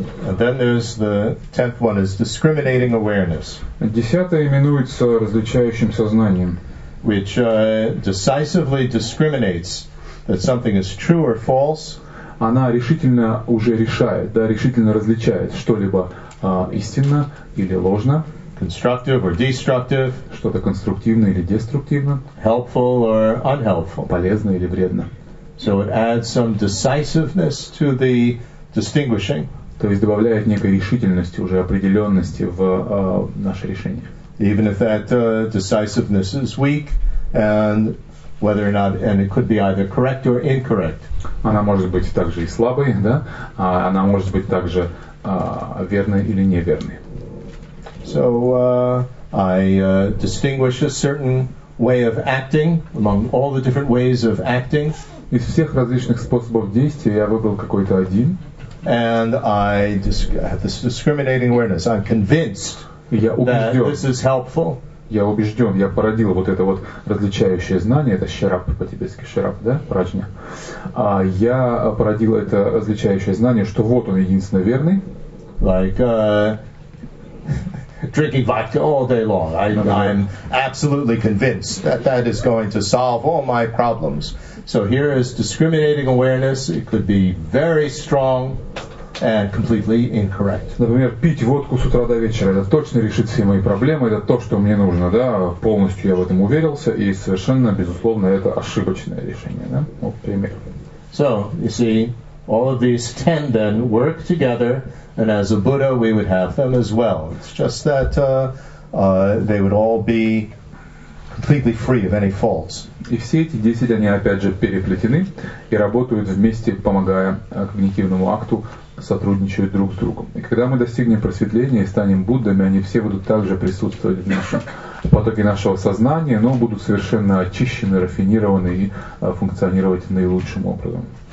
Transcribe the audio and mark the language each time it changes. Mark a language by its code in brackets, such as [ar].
[en] And then there's the 10th one is discriminating awareness. [ru] Десятое именуется различающим сознанием. [en] Which decisively discriminates that something is true or false. [ru] Она решительно уже решает, да, решительно различает что-либо истинно или ложно. [en] Constructive or destructive. [ru] Что-то конструктивно или деструктивно. [en] Helpful or unhelpful. [ru] Полезно или вредно. [en] So it adds some decisiveness to the distinguishing. [ru] То есть добавляет некой решительности, уже определенности в наше решение. [en] Even if that decisiveness is weak and whether or not, and it could be either correct or incorrect. [ru] Она может быть также и слабой, да? Она может быть также верной или неверной. [en] So I distinguish a certain way of acting among all the different ways of acting. [ru] Из всех различных способов действия я выбрал какой-то один. [en] And I have this discriminating awareness. I'm convinced that this is helpful. [ru] Я убежден, я породил вот это вот различающее знание, это шерап по-тибетски, шерап, да, прачня. Я породил это различающее знание, что вот он единственно верный. [en] Like drinking vodka all day long. I'm absolutely convinced that that is going to solve all my problems. So here is discriminating awareness. It could be very strong and completely incorrect. [ru] Например, пить водку с утра до вечера — это точно решит все мои проблемы, это то, что мне нужно, да, полностью я в этом уверился, и совершенно, безусловно, это ошибочное решение, да? Вот пример. [en] So, you see, all of these 10 then work together And as a Buddha, we would have them as well. It's just that they would all be completely free of any faults. [ru] И все эти 10, они опять же переплетены и работают вместе, помогая когнитивному акту, сотрудничают друг с другом. И когда мы достигнем просветления и станем Буддами, они все будут также присутствовать в нашем потоке нашего сознания, но будут совершенно очищены, рафинированы и функционировать наилучшим образом.